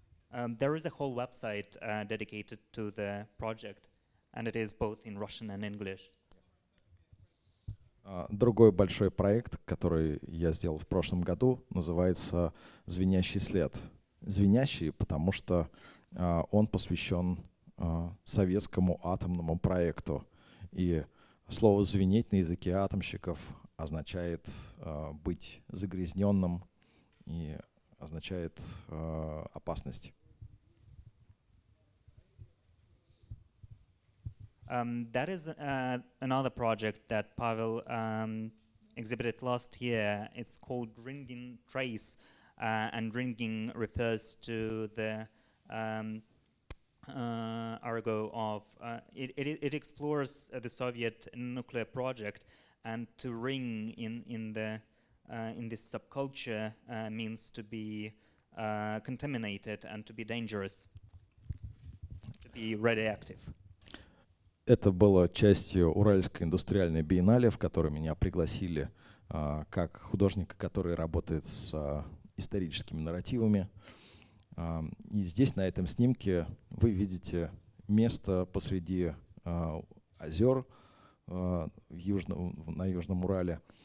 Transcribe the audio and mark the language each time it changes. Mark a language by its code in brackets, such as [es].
[en] There is a whole website dedicated to the project, and it is both in Russian and English. [ru] Другой большой проект, который я сделал в прошлом году, называется «Звенящий след». Звенящий, потому что он посвящен советскому атомному проекту. И слово «звенеть» на языке атомщиков означает быть загрязненным и означает опасность. [en] That is another project that Pavel exhibited last year. It's called Ringing Trace, and ringing refers to the argo of it explores the Soviet nuclear project, and to ring in this subculture means to be contaminated and to be dangerous, to be radioactive. [ru] Это было частью Уральской индустриальной биеннале, в которой меня пригласили как художника, который работает с историческими нарративами. И здесь, на этом снимке, вы видите место посреди озер на Южном Урале.